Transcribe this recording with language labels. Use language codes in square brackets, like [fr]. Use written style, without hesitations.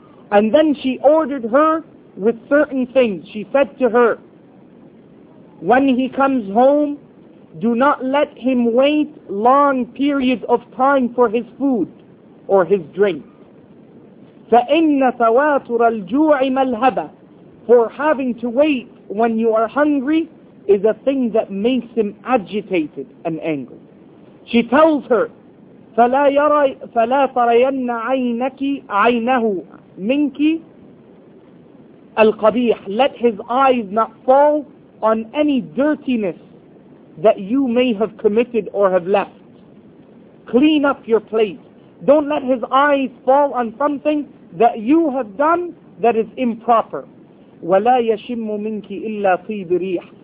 [en] And then she ordered her with certain things. She said to her, when he comes home, do not let him wait long periods of time for his food or his drink. [ar] فَإِنَّ تَوَاتُرَ الْجُوعِ مَلْهَبَةً. [en] For having to wait when you are hungry is a thing that makes him agitated and angry. She tells her, [ar] فَلَا تَرَيَنَّ عَيْنَكِ عَيْنَهُ مِنْكِ الْقَبِيحِ. [en] Let his eyes not fall on any dirtiness that you may have committed or have left. Clean up your plate. Don't let his eyes fall on something that you have done that is improper. [ar] وَلَا يَشِمُّ مِنْكِ إِلَّا طِيبِ رِيحٍ.